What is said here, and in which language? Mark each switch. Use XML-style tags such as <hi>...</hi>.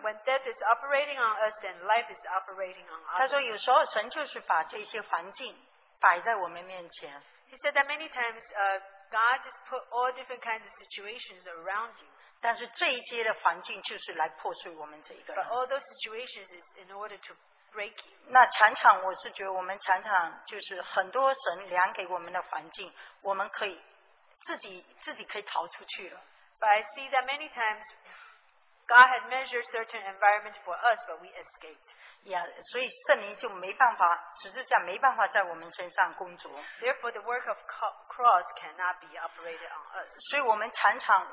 <en>When death is operating on us, then life is operating on us.</en> <zh>他说有时候神就是把这些环境摆在我们面前。</zh> <en>He said that many times, God just put all different kinds of situations around you.</en> <zh>但是这一些的环境就是来破碎我们这一个人。</zh> <en>But all those situations is in order to break you.</en> <zh>那常常我是觉得我们常常就是很多神量给我们的环境，我们可以 自己可以逃出去了。</zh> <en>But I see that many times God had measured certain environments for us, but we escaped.</en> <zh>Yeah, 所以圣灵就没办法，十字架没办法在我们身上工作。</zh> <en>Therefore, the work of cross cannot be operated on us.</en>